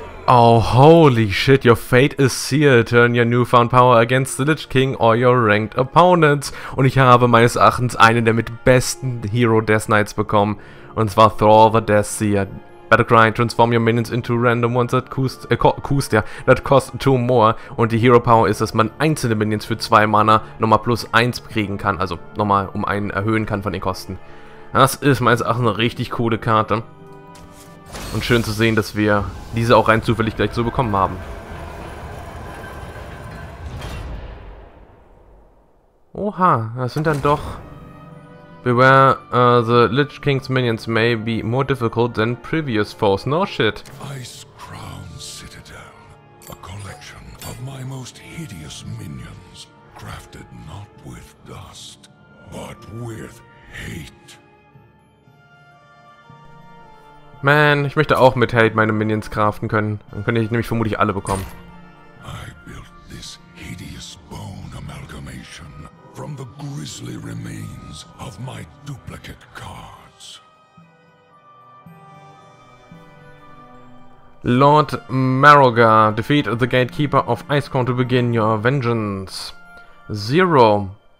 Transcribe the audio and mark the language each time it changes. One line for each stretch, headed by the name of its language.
English: Oh, holy shit, your fate is sealed. Turn your newfound power against the Lich King or your ranked opponents.
German: Und ich habe meines Erachtens einen der mit besten Hero Death Knights bekommen. Und zwar Thrall the Deathseer.
English: Battlecry, transform your minions into random ones that cost, that cost 2 more.
German: Und die Hero Power ist, dass man einzelne Minions für 2 Mana nochmal +1 kriegen kann. Also nochmal um einen erhöhen kann von den Kosten. Das ist meines Erachtens eine richtig coole Karte. Und schön zu sehen, dass wir diese auch rein zufällig gleich so bekommen haben. Oha, das sind dann doch...
English: Beware, the Lich King's minions may be more difficult than previous foes. No shit. Ice Crown Citadel. A collection of my most hideous minions. Crafted not with dust, but with hate.
German: Man, ich möchte auch mit Hate meine Minions craften können. Dann könnte ich nämlich vermutlich alle bekommen.
English: I built this hideous bone amalgamation from the grisly remains of my duplicate cards. Lord Marogar, defeat the gatekeeper of Icecrown to begin your vengeance. Zero.